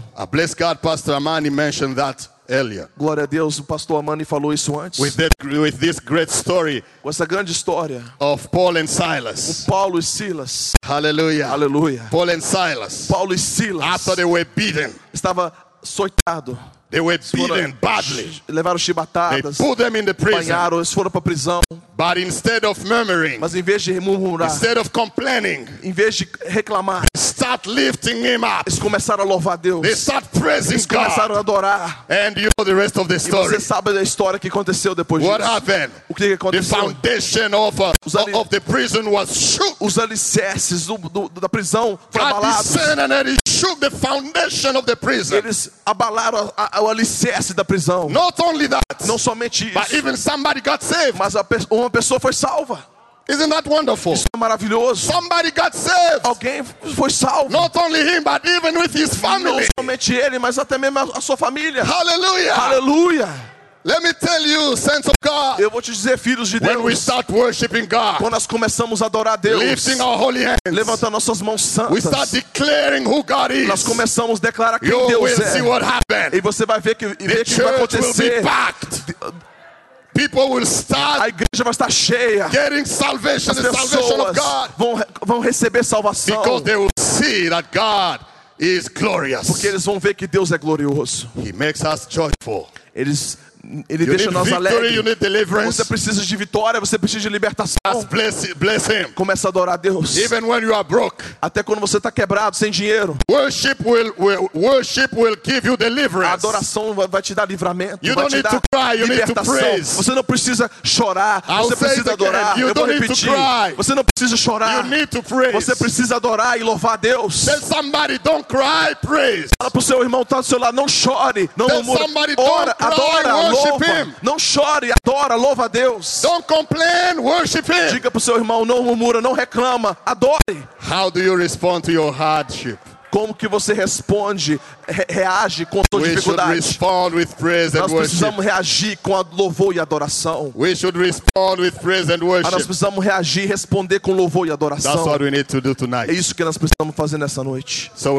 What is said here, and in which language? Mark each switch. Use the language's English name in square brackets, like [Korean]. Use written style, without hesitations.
[English] A blessed God Pastor Amani mentioned that. Elia. [Portuguese] Glória a Deus, o pastor Amani falou isso antes. [English] With this great story, [Portuguese] com essa grande história [English] of Paul and Silas. [Portuguese] O Paulo e Silas. [English] Hallelujah. Hallelujah. Paul and Silas. [Portuguese] Paulo e Silas. [English] After they were beaten. [Portuguese] Estava soitado. [English] They were beaten badly. [Portuguese] Levaram chibatadas. [English] They put them in the prison. [Portuguese] Apanharam, eles foram para prisão. [English] But instead of murmuring, [Portuguese] mas em vez de murmurar, [English] instead of complaining, [Portuguese] em vez de reclamar, [English] they start lifting him up. [Portuguese] Eles começaram a louvar Deus. [English] They start praising [Portuguese] eles começaram [English] God. [Portuguese] A adorar. [English] And you know the rest of the story. [Portuguese] E você sabe da história que aconteceu depois [English] what [Portuguese] disso. [English] What happened? [Portuguese] O que aconteceu? [English] The foundation of the prison was shook. [Portuguese] Os alicerces da prisão foram [English] God [Portuguese] abalados. [English] And he shook the foundation of the prison. [Portuguese] Eles abalaram o alicerce da prisão. [English] Not only that, [Portuguese] não somente isso, [English] but even somebody got saved. [Portuguese] Mas uma pessoa foi salva. [English] Isn't that wonderful? [Portuguese] Isso é maravilhoso. [English] Somebody got saved. [Portuguese] Alguém foi salvo. [English] Not only him, but even with his family. [Portuguese] Não somente ele, mas até mesmo a sua família. [English] Hallelujah. Hallelujah. Let me tell you, sons of God. [Portuguese] Eu vou te dizer, filhos de Deus. [English] When we start worshiping God. [Portuguese] Quando nós começamos a adorar a Deus. [English] Lifting our holy hands. [Portuguese] Levantando nossas mãos santas. [English] We start declaring who God is. [Portuguese] Nós começamos a declarar quem Deus é. [English] See what happened. [Portuguese] E você vai ver que vai acontecer. [English] Will be packed. People will start. [Portuguese] A igreja vai estar cheia. [English] Getting salvation, the salvation of God. [Portuguese] Vão receber salvação. [English] Because they will see that God is glorious. [Portuguese] Porque eles vão ver que Deus é glorioso. [English] He makes us joyful. [Portuguese] Ele deixa nós alegres. Você precisa de vitória, você precisa de libertação. [English] Bless him. [Portuguese] Começa a adorar a Deus. [English] Even when you are broke. [Portuguese] Até quando você está quebrado, sem dinheiro. [English] Worship will give you deliverance. [Portuguese] A adoração vai te dar livramento. [English] You don't need to cry, you need to praise. [Portuguese] Você não precisa chorar, você precisa adorar. [English] You don't need to cry. [Portuguese] Você não precisa chorar. [English] You need to praise. [Portuguese] Você precisa adorar e louvar a Deus. [English] Tell somebody, don't cry, praise. [Portuguese] Fala para o seu irmão, está do seu lado, não chore, não murmure. Ora, adora. [English] Worship him. [Portuguese] Não chore, adora, louva a Deus. [English] Don't complain, worship him. [Portuguese] Diga pro seu irmão, não murmura, não reclama, adore. [English] How do you respond to your hardship? [Portuguese] como que você responde, reage com toda dificuldade. Nós precisamos reagir com a louvor e adoração. Nós precisamos reagir e responder com louvor e adoração. É isso que nós precisamos fazer nessa noite.